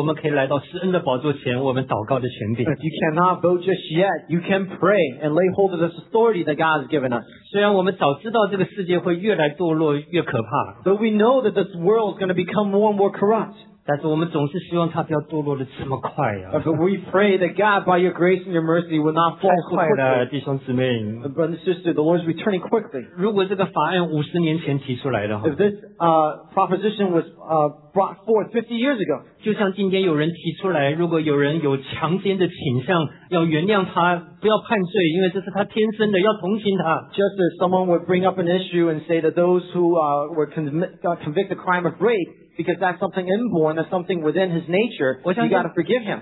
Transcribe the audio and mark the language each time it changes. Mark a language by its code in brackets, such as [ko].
[en] If you cannot vote just yet, you can pray and lay hold of this authority that God has given us. So we know that this world is going to become more and more corrupt. [zh] 但是我们总是希望他不要堕落得这么快啊。 [en] But we pray that God, by your grace and your mercy, will not fall so quickly. [zh] 太快了，弟兄姊妹。 [en] Brother and sister, the Lord is returning quickly. [zh] 如果这个法案50年前提出来的话, [en] If this proposition was brought forth 50 years ago, [zh] 就像今天有人提出来, 如果有人有强奸的倾向, 要原谅他, 不要判罪, 因为这是他天生的, 要同情他。 [en] Just as someone would bring up an issue and say that those who were convicted of crime of rape, because that's something inborn, that's something within his nature, you got to forgive him.